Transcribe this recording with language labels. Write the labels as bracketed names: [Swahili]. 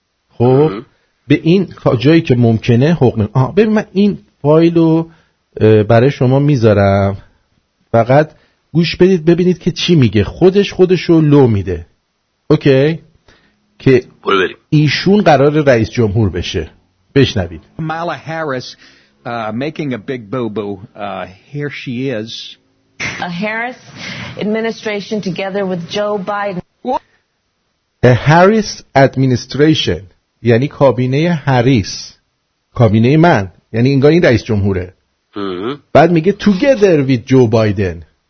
[Persian] خب به این جایی که ممکنه حقوق. ببین من این فایل رو برای شما میذارم، فقط گوش بدید ببینید که چی میگه. خودش رو لو میده. اوکی؟ که برو بریم. ایشون قرار رئیس جمهور بشه. بشنوید. [English] مالا Harris making a big boo boo. Here she is. A Harris administration together with Joe Biden. A Harris administration. [Persian] یعنی کابینه هریس، کابینه من، یعنی انگار این رئیس جمهوره. بعد میگه [English] together with Joe Biden.